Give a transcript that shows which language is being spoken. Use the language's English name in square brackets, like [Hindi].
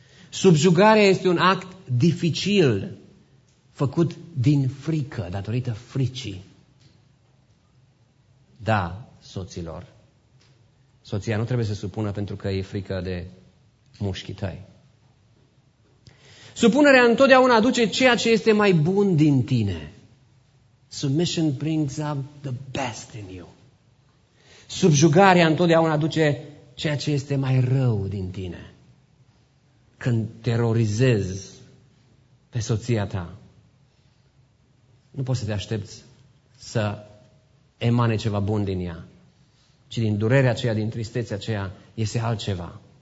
[Romanian] Subjugarea este un act dificil, făcut din frică, datorită fricii. Da, soților, soția nu trebuie să supună pentru că e frică de mușchii tăi. Supunerea întotdeauna aduce ceea ce este mai bun din tine. [English] Submission brings out the best in you. [Romanian] Subjugarea întotdeauna aduce ceea ce este mai rău din tine. Când terorizezi pe soția ta, nu poți să te aștepți să emane ceva bun din ea, ci din durerea aceea, din tristețea aceea, iese altceva.